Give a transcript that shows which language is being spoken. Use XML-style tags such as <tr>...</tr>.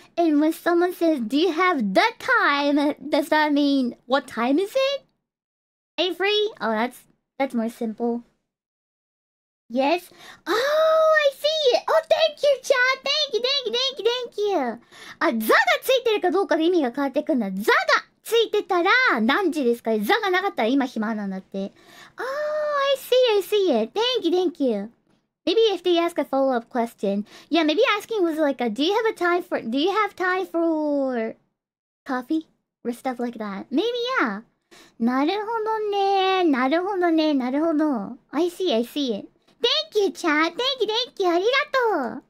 <en>And when someone says, do you have the time? Does that mean, what time is it? Are you free? Oh, that's more simple. Yes. Oh, I see it. Oh, thank you, chat. Thank you, thank you, thank you, thank you.</en> <ja>あ、ザがついてるかどうかで意味が変わってくるんだ。ザがついてたら何時ですか? ザがなかったら今暇なんだって。</ja> <en>Oh, I see it, I see it. Thank you, thank you. Maybe if they ask a follow-up question. Yeah, maybe asking was like a, do you have time for coffee? Or stuff like that. Maybe, yeah.</en> <ja>なるほどね。なるほどね。なるほど。</ja> <en>I see, I see it. Thank you, chat. Thank you, thank you. Arigato.</en>